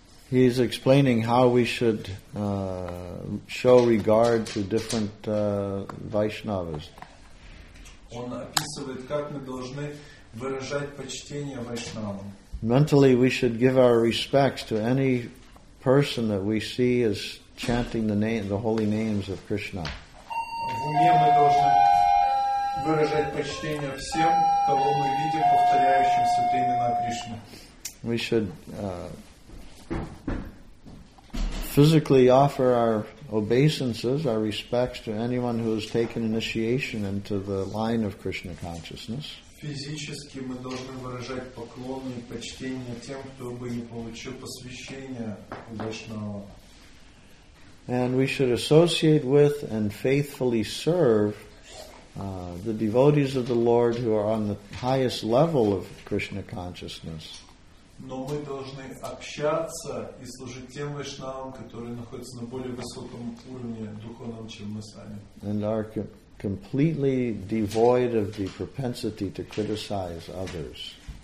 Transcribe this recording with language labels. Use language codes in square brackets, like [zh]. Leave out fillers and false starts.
[en] He's explaining how we should show regard to different Vaishnavas. [ru] Он описывает, как мы должны выражать почтение Вайшнавам. [en] Mentally we should give our respects to any person that we see as chanting the name, the holy names of Krishna. [ru] В уме мы должны выражать почтение всем, кого мы видим, повторяющим святые имена Кришны. [en] We should physically offer our obeisances, our respects to anyone who has taken initiation into the line of Krishna consciousness. [ru] Физически мы должны выражать поклон и почтение тем, кто бы не получил посвящение Вайшнава. [en] And we should associate with and faithfully serve the devotees of the Lord who are on the highest level of Krishna consciousness. [ru] Но мы должны общаться и служить тем вайшнавам, которые находятся на более высоком уровне духовном, чем мы сами. [en] And are completely devoid of the propensity to criticize others.